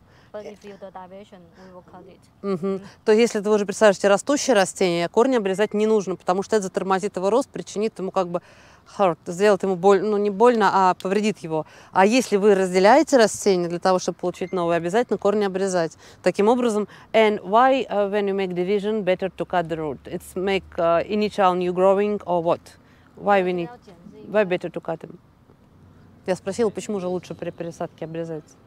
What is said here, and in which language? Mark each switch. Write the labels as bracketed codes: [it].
[ru] То если вы уже пересаживаете растущее растение, корни обрезать не нужно, потому что это затормозит его рост, причинит ему как бы hurt, сделает ему больно, ну не больно, а повредит его. А если вы разделяете растение для того, чтобы получить новое, обязательно корни обрезать. Таким образом, [en] and why when you make division better to cut the root? It's make initial new growing or what? Why better to cut them? [ru] Я спросила, почему же лучше при пересадке обрезать?